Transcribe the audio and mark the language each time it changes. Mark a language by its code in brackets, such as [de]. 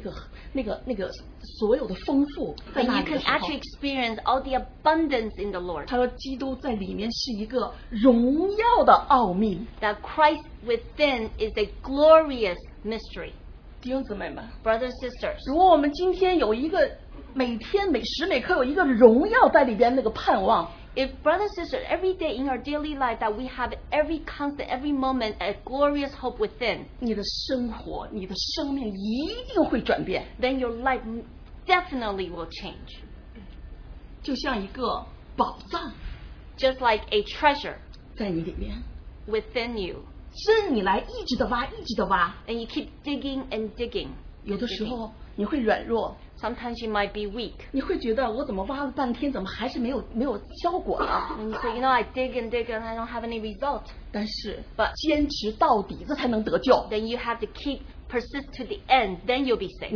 [zh] 能够你真正的能感觉到主的那个所有的丰富, [en] and you can actually experience all the abundance in the Lord. [zh] 他说基督在里面是一个荣耀的奥秘, [en] that Christ within is a glorious mystery. [zh] 弟兄姊妹们, [en] brothers and sisters, [zh] 如果我们今天有一个每天每时每刻有一个荣耀在里边那个盼望, [en] if brothers and sisters, every day in our daily life that we have every constant, every moment, a glorious hope within, [zh] 你的生活, 你的生命一定会转变, [en] then your life definitely will change. [zh] 就像一个宝藏, [en] just like a treasure [zh] 在你里面, [en] within you. [zh] 正你来一直地挖, 一直地挖, [en] and you keep digging and digging. [zh] 有的时候你会软弱, [en] sometimes you might be weak. [zh] 你会觉得我怎么挖了半天, 怎么还是没有效果了? [en] And you say, you know, I dig and dig and I don't have any result. [zh] 但是, but 坚持到底, 这才能得救, [en] then you have to keep persist to the end, then you'll be saved.